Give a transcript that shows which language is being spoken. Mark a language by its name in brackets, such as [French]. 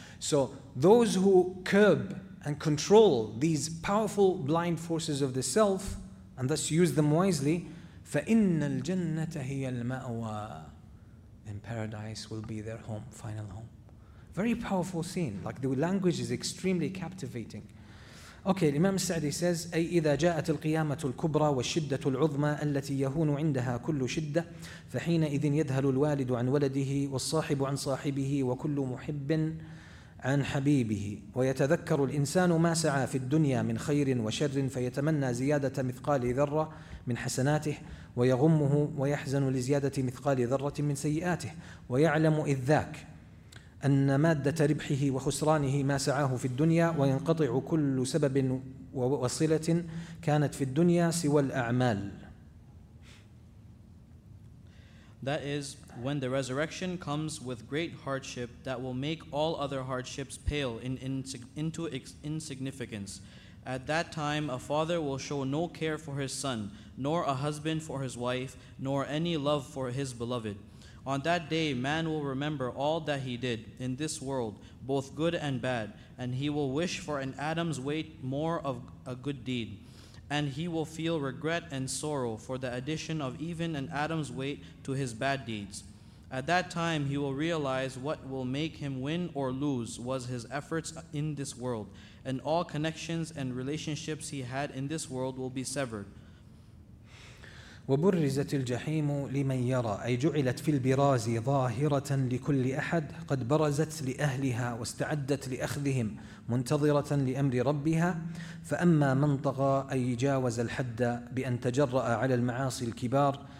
[English] So those who curb and control these powerful blind forces of the self, and thus use them wisely, [Arabic] فَإِنَّ الْجَنَّةَ هِيَ الْمَأْوَى, [English] then paradise will be their home, final home. Very powerful scene, like the language is extremely captivating. Okay, Imam Sa'di says, [Arabic] أي إذا جاءت القيامة الكبرى والشدة العظمى التي يهون عندها كل شدة فحينئذ يذهل الوالد عن ولده والصاحب عن صاحبه وكل محب عن حبيبه ويتذكر الإنسان ما سعى في الدنيا من خير وشر فيتمنى زيادة مثقال ذرة من حسناته ويغمه ويحزن لزيادة مثقال ذرة من سيئاته ويعلم إذ ذاك أن مادة ربحه وخسرانه ما سعاه في الدنيا وينقطع كل سبب ووصلة كانت في الدنيا سوى الأعمال. [English] That is, when the resurrection comes with great hardship that will make all other hardships pale into insignificance. At that time, a father will show no care for his son, nor a husband for his wife, nor any love for his beloved. On that day, man will remember all that he did in this world, both good and bad, and he will wish for an atom's weight more of a good deed, and he will feel regret and sorrow for the addition of even an atom's weight to his bad deeds. At that time, he will realize what will make him win or lose was his efforts in this world, and all connections and relationships he had in this world will be severed. [Arabic] وبرزت الجحيم لمن يرى, أي جعلت في البراز ظاهرة لكل أحد, قد برزت لأهلها واستعدت لأخذهم منتظرة لأمر ربها. فأما من طغى, أي جاوز الحد بأن تجرأ على المعاصي الكبار